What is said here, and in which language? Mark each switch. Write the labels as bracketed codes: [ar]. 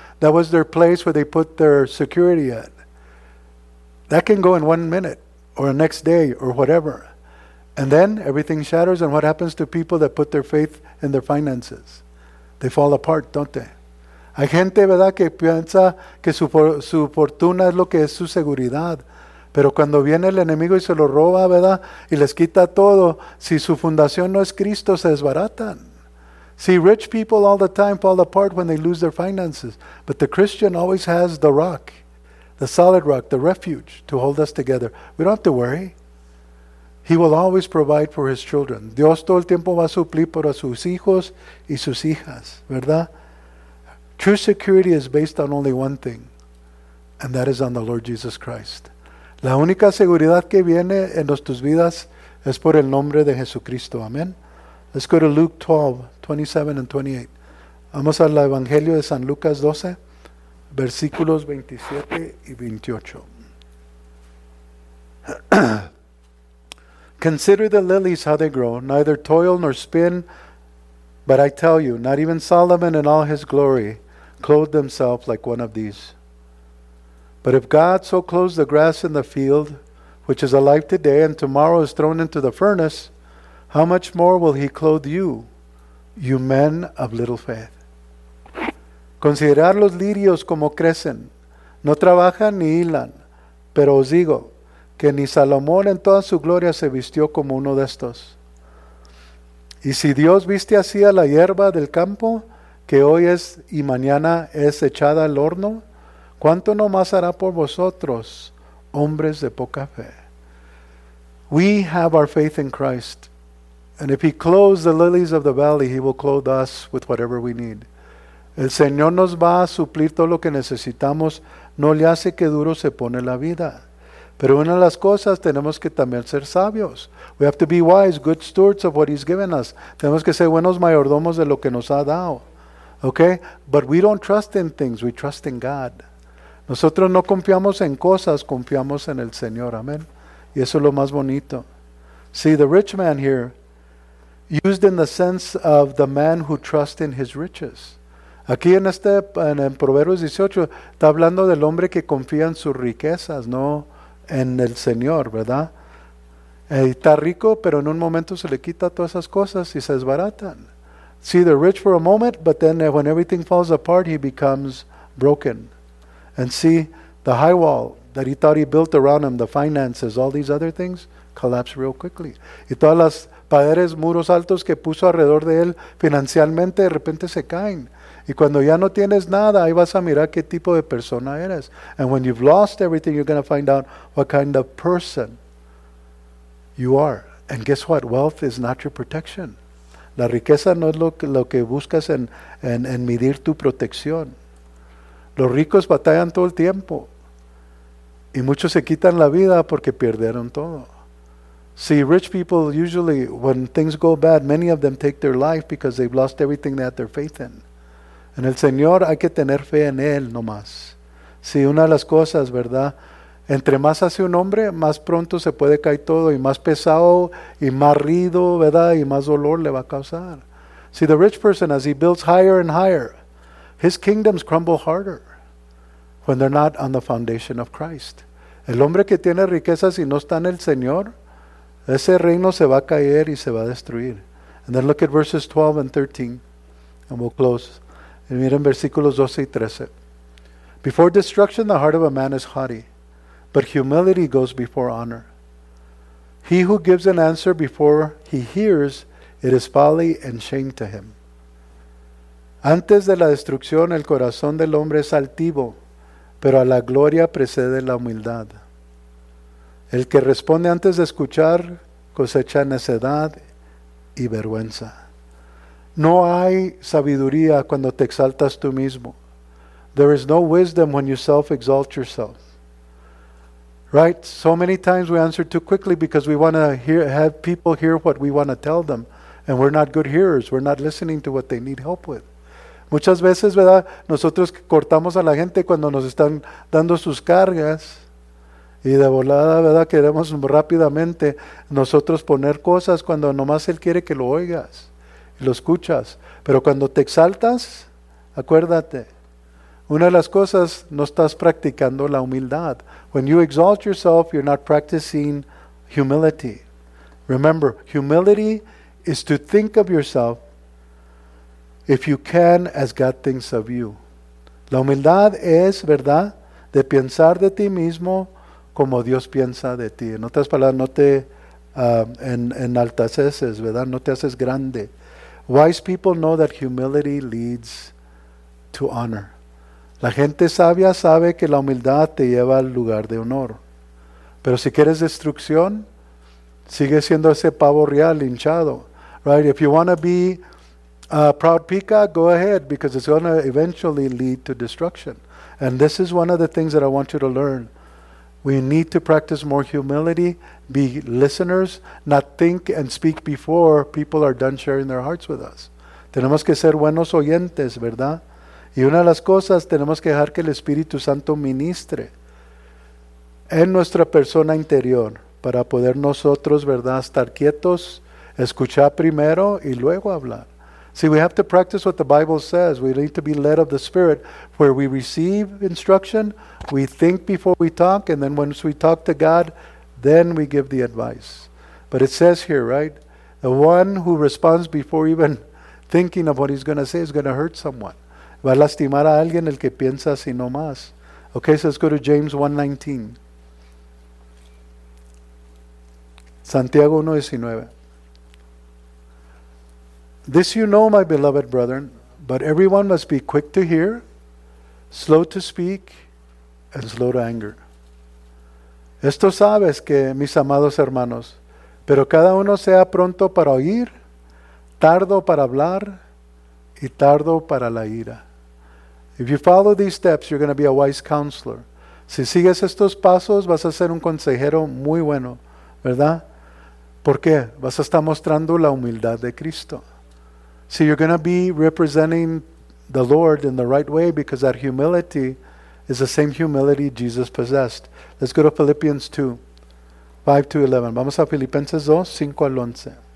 [en] That was their place where they put their security at. That can go in 1 minute or the next day or whatever. And then everything shatters. And what happens to people that put their faith in their finances? They fall apart, don't they? [es] Hay gente, ¿verdad?, que piensa que su fortuna es lo que es su seguridad. Pero cuando viene el enemigo y se lo roba, ¿verdad?, y les quita todo, si su fundación no es Cristo, se desbaratan. [en] See, rich people all the time fall apart when they lose their finances. But the Christian always has the rock, the solid rock, the refuge to hold us together. We don't have to worry. He will always provide for his children. [es] Dios todo el tiempo va a suplir para sus hijos y sus hijas, ¿verdad? [en] True security is based on only one thing, and that is on the Lord Jesus Christ. [es] La única seguridad que viene en nuestras vidas es por el nombre de Jesucristo. [en] Amén. Let's go to Luke 12, 27 and 28. [es] Vamos al Evangelio de San Lucas 12, versículos 27 y 28. [en] Consider the lilies, how they grow, neither toil nor spin. But I tell you, not even Solomon in all his glory clothed himself like one of these. But if God so clothes the grass in the field, which is alive today and tomorrow is thrown into the furnace, how much more will he clothe you, you men of little faith? [es] Considerad los lirios como crecen. No trabajan ni hilan. Pero os digo que ni Salomón en toda su gloria se vistió como uno de estos. Y si Dios viste así a la hierba del campo, que hoy es y mañana es echada al horno, ¿cuánto no más hará por vosotros, hombres de poca fe? [en] We have our faith in Christ. And if he clothes the lilies of the valley, he will clothe us with whatever we need. [es] El Señor nos va a suplir todo lo que necesitamos. No le hace que duro se pone la vida. Pero una de las cosas, tenemos que también ser sabios. [en] We have to be wise, good stewards of what he's given us. [es] Tenemos que ser buenos mayordomos de lo que nos ha dado. [en] Okay? But we don't trust in things, we trust in God. [es] Nosotros no confiamos en cosas, confiamos en el Señor. Amén. Y eso es lo más bonito. [en] See, the rich man here, used in the sense of the man who trusts in his riches. [es] Aquí en este, en Proverbios 18, está hablando del hombre que confía en sus riquezas, no en el Señor, ¿verdad? Está rico, pero en un momento se le quita todas esas cosas y se desbaratan. [en] See, they're rich for a moment, but then when everything falls apart, he becomes broken. And see, the high wall that he thought he built around him, the finances, all these other things, collapse real quickly. [es] Y todas las paredes, muros altos que puso alrededor de él financieramente, de repente se caen. Y cuando ya no tienes nada, ahí vas a mirar qué tipo de persona eres. [en] And when you've lost everything, you're going to find out what kind of person you are. And guess what? Wealth is not your protection. [es] La riqueza no es lo que buscas en medir tu protección. Los ricos batallan todo el tiempo. Y muchos se quitan la vida porque perdieron todo. [en] See, rich people usually, when things go bad, many of them take their life because they've lost everything they had their faith in. [es] En el Señor hay que tener fe en Él nomás. Sí, una de las cosas, ¿verdad? Entre más hace un hombre, más pronto se puede caer todo y más pesado y más rido, ¿verdad? Y más dolor le va a causar. [en] See, the rich person, as he builds higher and higher, his kingdoms crumble harder when they're not on the foundation of Christ. [es] El hombre que tiene riquezas y no está en el Señor, ese reino se va a caer y se va a destruir. [en] And then look at verses 12 and 13, and we'll close. [es] Y miren versículos 12 y 13. [en] Before destruction, the heart of a man is haughty, but humility goes before honor. He who gives an answer before he hears, it is folly and shame to him. [es] Antes de la destrucción, el corazón del hombre es altivo, pero a la gloria precede la humildad. El que responde antes de escuchar cosecha necedad y vergüenza. No hay sabiduría cuando te exaltas tú mismo. [en] There is no wisdom when you self-exalt yourself. Right? So many times we answer too quickly because we want to have people hear what we want to tell them. And we're not good hearers. We're not listening to what they need help with. [es] Muchas veces, ¿verdad? Nosotros cortamos a la gente cuando nos están dando sus cargas. Y de volada, ¿verdad? Queremos rápidamente nosotros poner cosas cuando nomás Él quiere que lo oigas. Y lo escuchas. Pero cuando te exaltas, acuérdate. Una de las cosas, no estás practicando la humildad. [en] When you exalt yourself, you're not practicing humility. Remember, humility is to think of yourself, if you can, as God thinks of you. [es] La humildad es, ¿verdad?, de pensar de ti mismo como Dios piensa de ti. En otras palabras, no te enalteces, ¿verdad?, no te haces grande. [en] Wise people know that humility leads to honor. [es] La gente sabia sabe que la humildad te lleva al lugar de honor. Pero si quieres destrucción, sigue siendo ese pavo real hinchado. [en] Right? If you want to be a proud peacock, go ahead, because it's going to eventually lead to destruction. And this is one of the things that I want you to learn. We need to practice more humility, be listeners, not think and speak before people are done sharing their hearts with us. [es] Tenemos que ser buenos oyentes, ¿verdad? Y una de las cosas, tenemos que dejar que el Espíritu Santo ministre en nuestra persona interior para poder nosotros, ¿verdad?, estar quietos, escuchar primero y luego hablar. [en] See, we have to practice what the Bible says. We need to be led of the Spirit where we receive instruction, we think before we talk, and then once we talk to God, then we give the advice. But it says here, right? The one who responds before even thinking of what he's going to say is going to hurt someone. [es] Va a lastimar a alguien el que piensa así nomás. [en] Okay, so let's go to James 1:19. [es] Santiago 1:19. [en] This you know, my beloved brethren, but everyone must be quick to hear, slow to speak, and slow to anger. [es] Esto sabes que, mis amados hermanos, pero cada uno sea pronto para oír, tardo para hablar, y tardo para la ira. [en] If you follow these steps, you're going to be a wise counselor. [es] Si sigues estos pasos, vas a ser un consejero muy bueno, ¿verdad? ¿Por qué? Vas a estar mostrando la humildad de Cristo. [en] So you're going to be representing the Lord in the right way because that humility is the same humility Jesus possessed. Let's go to Philippians 2, 5 to 11. [es] Vamos a Filipenses 2, 5 al 11.